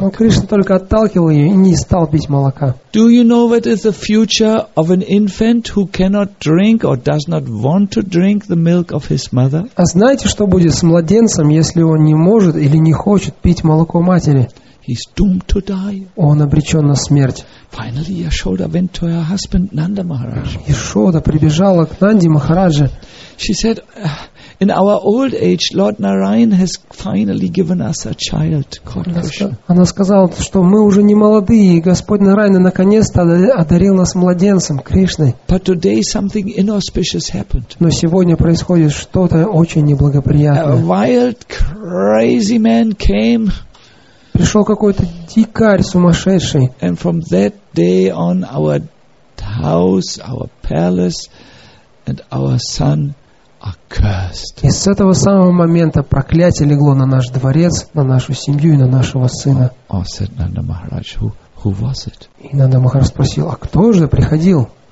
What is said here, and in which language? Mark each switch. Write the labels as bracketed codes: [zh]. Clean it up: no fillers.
[ru] Но Кришна только отталкивал ее и не стал пить молока. [en] Do you know what is the future of an infant who cannot drink or does not want to drink the milk of his mother? [ru] А знаете, что будет с младенцем, если он не может или не хочет пить молоко матери? [en] He's doomed to die. [ru] Он обречен на смерть. [en] Finally, Yashoda went to her husband Nanda Maharaj. [ru] Яшода прибежала к Нанди Махараджи. [en] She said, in our old age, Lord Narayan has finally given us a child called Krishna. [ru] Она сказала, что мы уже не молодые, и Господь Нараяна наконец-то одарил нас младенцем Кришной. [en] But today something inauspicious happened. [ru] Но сегодня происходит что-то очень неблагоприятное. [en] A wild, crazy man came. [ru] Пришел какой-то дикарь сумасшедший. [en] And from that day on, our house, our palace, and our son. [ru] И с этого самого момента проклятие легло на наш дворец, на нашу семью и на нашего сына. И Нанда Махарадж спросил, а кто же приходил?